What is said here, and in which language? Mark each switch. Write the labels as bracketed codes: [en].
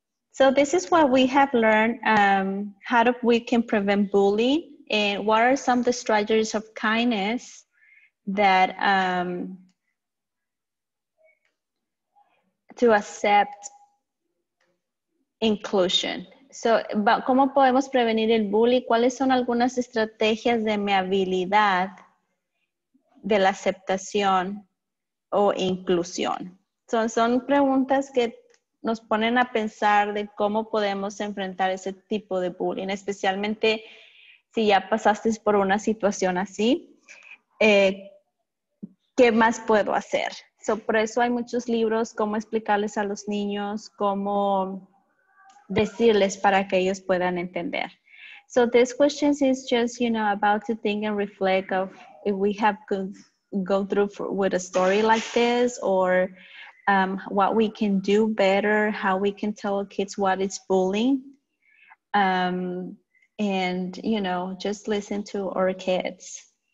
[en] So this is what we have learned, how do we can prevent bullying, and what are some of the strategies of kindness that to accept inclusion. [es] So, ¿cómo podemos prevenir el bullying? ¿Cuáles son algunas estrategias de amabilidad, de la aceptación o inclusión? So, son preguntas que nos ponen a pensar de cómo podemos enfrentar ese tipo de bullying, especialmente si ya pasaste por una situación así, ¿qué más puedo hacer? So, por eso hay muchos libros, cómo explicarles a los niños, cómo decirles para que ellos puedan entender. [en] So this question is just, you know, about to think and reflect of if we have go through with a story like this, or what we can do better, how we can tell kids what is bullying. And, you know, just listen to our kids.